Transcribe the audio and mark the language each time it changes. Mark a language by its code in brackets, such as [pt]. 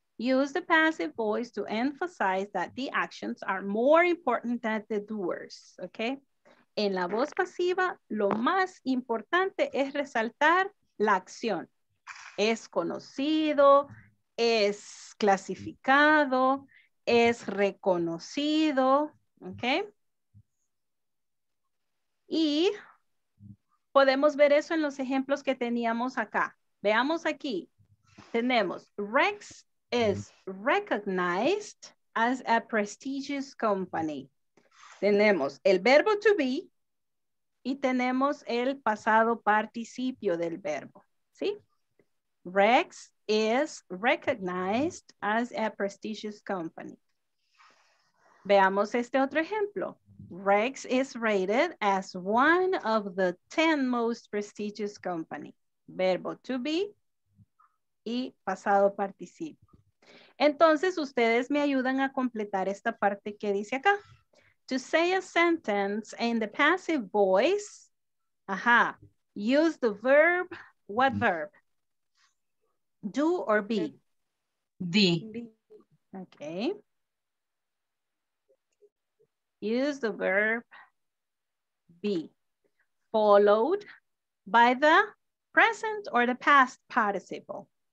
[en] Use the passive voice to emphasize that the actions are more important than the doers, ok. [es] En la voz pasiva, lo más importante es resaltar la acción. Es conocido, es clasificado, es reconocido, ¿ok? Y podemos ver eso en los ejemplos que teníamos acá. Veamos aquí, tenemos Rex is recognized as a prestigious company. Tenemos el verbo to be, y tenemos el pasado participio del verbo, ¿sí? [en] Rex is recognized as a prestigious company. [es] Veamos este otro ejemplo. [en] Rex is rated as one of the 10 most prestigious company. [es] Verbo to be y pasado participio. Entonces, ustedes me ayudan a completar esta parte que dice acá. [en] To say a sentence in the passive voice, use the verb, what verb? Do or be? The. Okay. Use the verb be, followed by the present or the past participle?